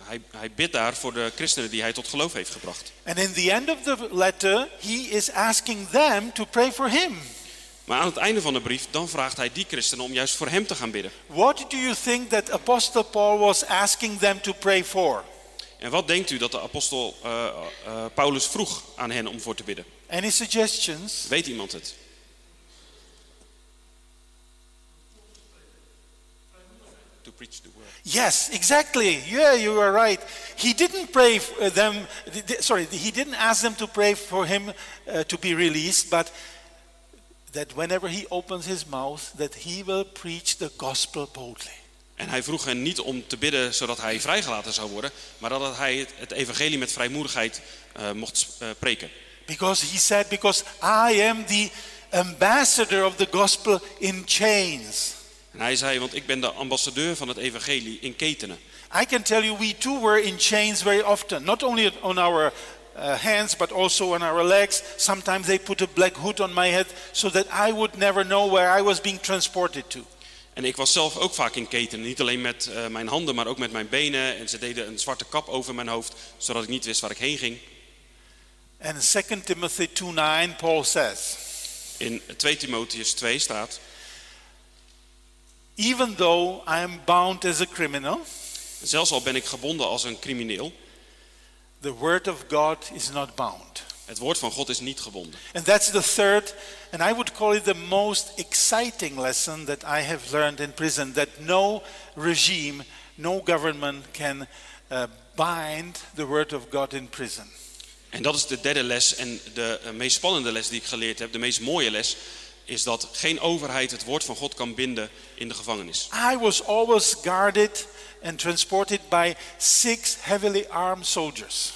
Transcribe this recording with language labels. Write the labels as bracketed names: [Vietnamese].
[Dutch] Hij bidt daar voor de christenen die hij tot geloof heeft gebracht. [English] And in the end of the letter, he is asking them to pray for him. [Dutch] Maar aan het einde van de brief, dan vraagt hij die christenen om juist voor hem te gaan bidden. [English] What do you think that Apostle Paul was asking them to pray for? [Dutch] En wat denkt u dat de apostel Paulus vroeg aan hen om voor te bidden? [English] Any suggestions? [Dutch] Weet iemand het? [English] To preach the word. Yes, exactly. Yeah, you are right. He didn't pray for them. He didn't ask them to pray for him to be released, but that whenever he opens his mouth, that he will preach the gospel boldly. [Dutch] En hij vroeg hen niet om te bidden zodat hij vrijgelaten zou worden, maar dat hij het evangelie met vrijmoedigheid mocht preken. [English] Because he said, because I am the ambassador of the gospel in chains. [Dutch] En hij zei, want ik ben de ambassadeur van het evangelie in ketenen. [English] I can tell you, we too were in chains very often. Not only on our hands, but also on our legs. Sometimes they put a black hood on my head, so that I would never know where I was being transported to. [Dutch] En ik was zelf ook vaak in ketenen. Niet alleen met mijn handen, maar ook met mijn benen. En ze deden een zwarte kap over mijn hoofd, zodat ik niet wist waar ik heen ging. [English] And 2 Timothy 2:9, Paul says. [Dutch] In 2 Timotheus 2 staat. [English] Even though I am bound as a criminal, [Dutch] zelfs al ben ik gebonden als een crimineel, [English] the word of God is not bound. [Dutch] Het woord van God is niet gebonden. [English] And that's the third, and I would call it the most exciting lesson that I have learned in prison, that no regime, no government can bind the word of God in prison. [Dutch] En dat is de derde les en de meest spannende les die ik geleerd heb, de meest mooie les. Is dat geen overheid het woord van God kan binden in de gevangenis. [English] I was always guarded and transported by 6 heavily armed soldiers.